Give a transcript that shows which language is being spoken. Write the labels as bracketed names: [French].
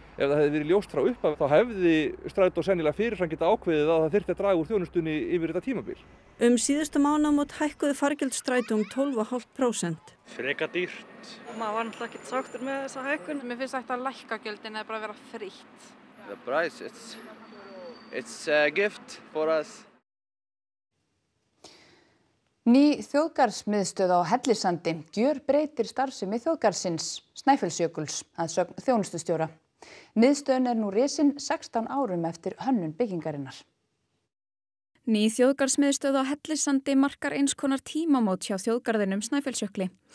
[Icelandic] Ef það hefði verið ljóst frá upphafi þá hefði Strætó sennilega fyrirfram geta ákveðið að það þyrfti að draga úr þjónustunni yfir þetta tímabil. Síðustu mánaðamót hækkuðu fargjöld Strætó 12,5%. Freka dýrt. Maður var náttúrulega ekki sáttur með þessa hækkun. Mér finnst þetta að lækka gjöldin eða bara að vera frítt. [English] The price, it's a gift for us. [Icelandic] Ný þjóðgarðsmiðstöð á Hellissandi gjörbreytir starfsemi þjóðgarðsins Snæfellsjökuls að sögn þjónustustjóra. Miðstöðin nú risin 16 árum eftir hönnun byggingarinnar. Ný þjóðgarðsmiðstöð á Hellissandi markar eins konar tímamót hjá þjóðgarðinum Snæfellsjökli.